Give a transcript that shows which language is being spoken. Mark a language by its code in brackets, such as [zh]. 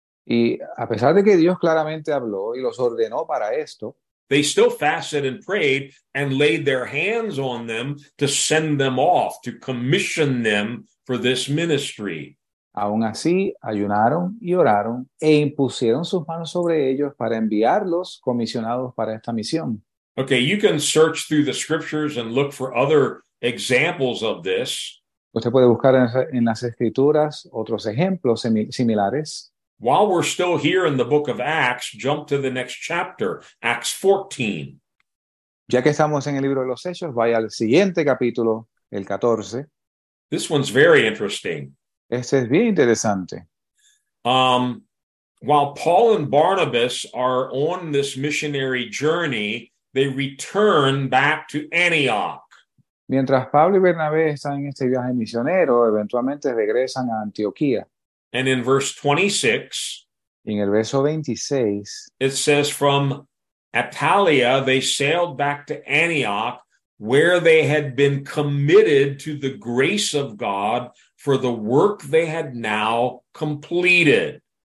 [es] y a pesar de que Dios claramente habló y los ordenó para esto, [en] they still fasted and prayed and laid their hands on them to send them off, to commission them for this ministry. [es] Aún así, ayunaron y oraron e impusieron sus manos sobre ellos para enviarlos comisionados para esta misión. [en] Okay, you can search through the scriptures and look for other examples of this. [es] Usted puede buscar en las escrituras otros ejemplos similares. [en] While we're still here in the book of Acts, jump to the next chapter, Acts 14. [es] Ya que estamos en el libro de los Hechos, vaya al siguiente capítulo, el 14. [en] This one's very interesting. [es] Este es bien interesante. [en] While Paul and Barnabas are on this missionary journey, they return back to Antioch. [es] Mientras Pablo y Bernabé están en este viaje misionero, eventualmente regresan a Antioquía. [en] And in verse 26, [es] en el verso 26, [en] it says, from Attalia, they sailed back to Antioch, where they had been committed to the grace of God for the work they had now completed.